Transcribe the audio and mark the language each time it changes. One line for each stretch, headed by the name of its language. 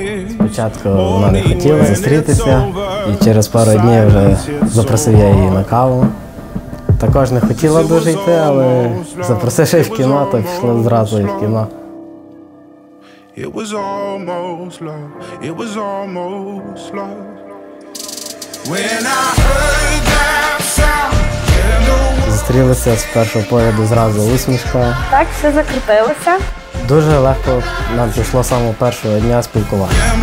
Ukrainian: Спочатку вона не хотіла зустрітися, і через пару днів вже запросив я її на каву. Також не хотіла дуже йти, але запросив її в кіно, то пішла зразу і в кіно.
English: It was almost love, it was almost love.
Ukrainian: Зустрілися з першого погляду, зразу усмішка. Так все закрутилося. Дуже легко нам пішло з самого першого дня спілкування.